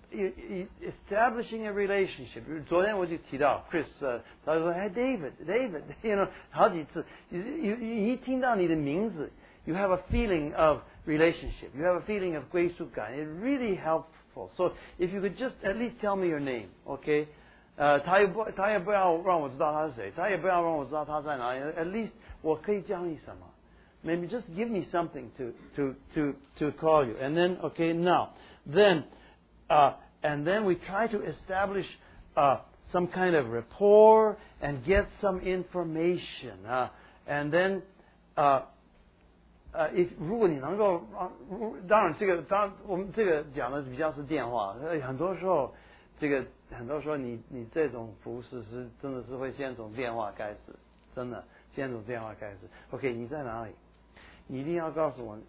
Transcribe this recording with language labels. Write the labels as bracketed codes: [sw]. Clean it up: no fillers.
[en] Establishing a relationship. [zh] 昨天我就提到 [en] Chris， [zh] 他说 [en] ，Hey David， you know， [zh] 好几次，一听到你的名字 [en] ，you have a feeling of relationship， you have a feeling of [zh] 归属感。 [en] It really helpful. So if you could just at least tell me your name， okay？ [zh] 他也不要让我知道他是谁，他也不要让我知道他在哪里。 [en] At least [zh] 我可以叫你什么 ？ [en] Maybe just give me something to call you. And then okay now then. And then we try to establish some kind of rapport and get some information. And then, if [zh] 如果你能够当然这个当我们这个讲的比较是电话，很多时候你这种服务是真的是会先从电话开始，真的先从电话开始。OK， 你在哪里？你一定要告诉我。